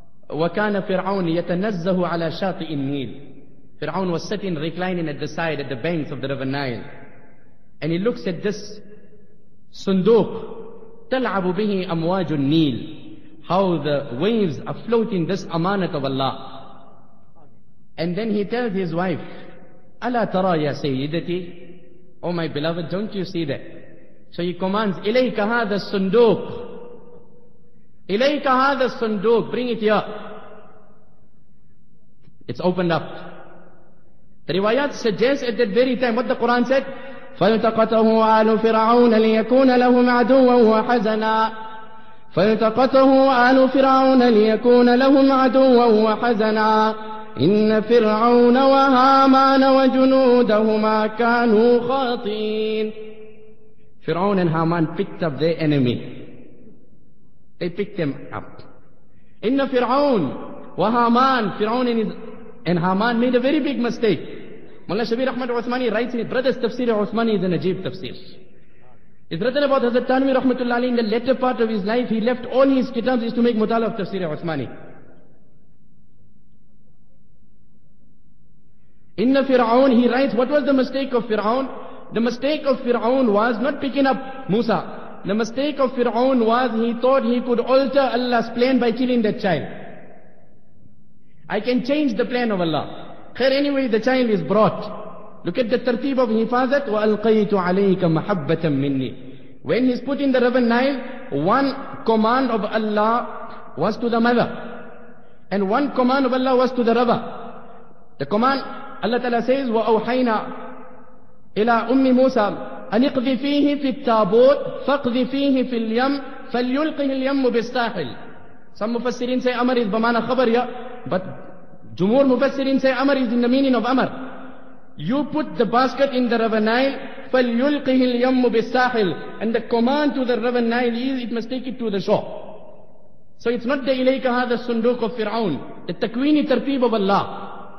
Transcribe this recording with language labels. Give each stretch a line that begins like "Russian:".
Arabic: وكان فرعون يتنزه على شاطئ النيل.
English: Fir'aun was sitting reclining at the side at the banks of the river Nile, and he looks at this sunduq
Arabic: تلعب به أمواج النيل,
English: how the waves are floating this amanat of Allah. And then he tells his wife,
Arabic: ألا ترى يا سيدتي,
English: oh my beloved, don't you see that? So he commands,
Arabic: إليك هذا الصندوق, إليك هذا الصندوق,
English: bring it here. It's opened up. The riwayat suggests at that very time, what the Quran said,
Arabic: فالتقطه آل فرعون ليكون لهم عدوا وحزنا, فالتقطه آل فرعون ليكون لهم عدوا وحزنا, إن فرعون وهامان وجنودهما كانوا خاطئين.
English: Fir'aun and Haman picked up their enemy. They picked them up.
Arabic: إِنَّ فِرْعَوْنَ وَهَامَانَ,
English: Fir'aun and Haman made a very big mistake. Mullah Shabir Ahmad Uthmani writes in his brother's tafsir, Uthmani is an ajeeb tafsir. It's written about Hazrat Tanwi Rahmatullah Ali, in the latter part of his life, he left all his kitabs is to make mutala of tafsir Uthmani. إِنَّ فِرْعَوْنَ, he writes, what was the mistake of Fir'aun? The mistake of Fir'aun was not picking up Musa. The mistake of Fir'aun was he thought he could alter Allah's plan by killing that child. I can change the plan of Allah. Khair, anyway, the child is brought. Look at the tertib of hifazat.
Arabic: وَأَلْقَيْتُ عَلَيْكَ مَحَبَّةً مِنِّي.
English: When he's put in the river Nile, one command of Allah was to the mother. And one command of Allah was to the river. The command, Allah Ta'ala says,
Arabic: وَأَوْحَيْنَا إلى أم موسى أن اقذ فيه في التابوت فاقذ فيه في اليم فليلقه اليم بالساحل.
English: Some مفسرين say أمر is
Arabic: بمعنى خبر,
English: yeah. But
Arabic: جمهور مفسرين
English: say أمر is in the meaning of أمر. You put the basket in the river Nile,
Arabic: فليلقه اليم بالساحل.
English: And the command to the river Nile is it must take it to the shore. So it's not the
Arabic: إليك هذا الصندوق
English: of Fir'aun. The
Arabic: تكويني ترتيب
English: of Allah.